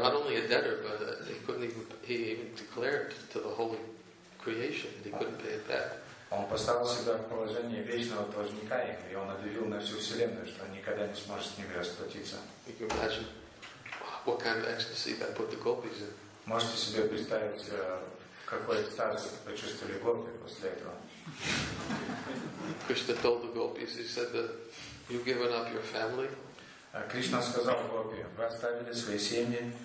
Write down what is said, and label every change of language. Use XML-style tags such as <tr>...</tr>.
<en>not only a debtor, but he couldn't even declared to the holy creation that he couldn't pay it back.</en> <ru>Он поставил себя в положение вечного должника, и он объявил на всю вселенную, что он никогда не сможет с ними расплатиться.</ru> <en>You can imagine what kind of ecstasy that put the gopis in.</en> <ru>Можете себе представить, какой экстаз почувствовали гопи после этого?</ru> <en>Krishna told the gopis, he said that you've given up your family.</en> <ru>Кришна сказал гопи, вы оставили свои семьи.</ru>